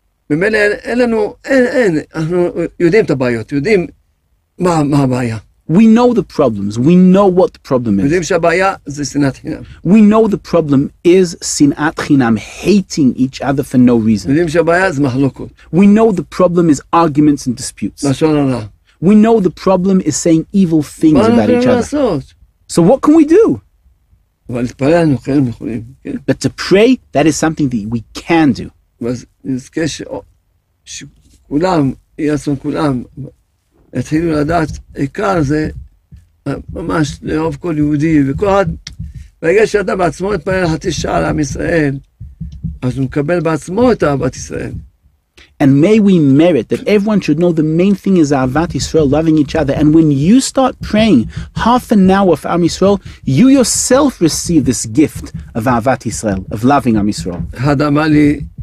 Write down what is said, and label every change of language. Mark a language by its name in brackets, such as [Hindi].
[Hebrew] ממילא אין, אין לנו, אין, אין, אנחנו יודעים את הבעיות, יודעים מה, מה הבעיה. [English] We know the problems. We know what the problem is. [Hebrew] יודעים שהבעיה זה שנאת חינם. [English] We know the problem is שנאת חינם, hating each other for no reason. [Hebrew] יודעים שהבעיה זה מחלוקות. [English] We know the problem is arguments and disputes. [Hebrew] לשון הרע. [English] We know the problem is saying evil things about each other. [Hebrew] לעשות? [English] So what can we do? [Hebrew] אבל להתפלל אנחנו כן יכולים. [English] But to pray, that is something that we can do. [Hebrew] ואז נזכה שכולם, יעצמם כולם, התחילו לדעת עיקר זה ממש לאהוב כל יהודי, וכל עד, ברגע שאדם בעצמו התפלל חצי שעה לעם ישראל, אז הוא מקבל בעצמו את אהבת ישראל. [English] And may we merit that everyone should know the main thing is Ahavat Yisrael, loving each other. And when you start praying half an hour for Am Yisrael, you yourself receive this gift of Ahavat Yisrael, of loving Am Yisrael.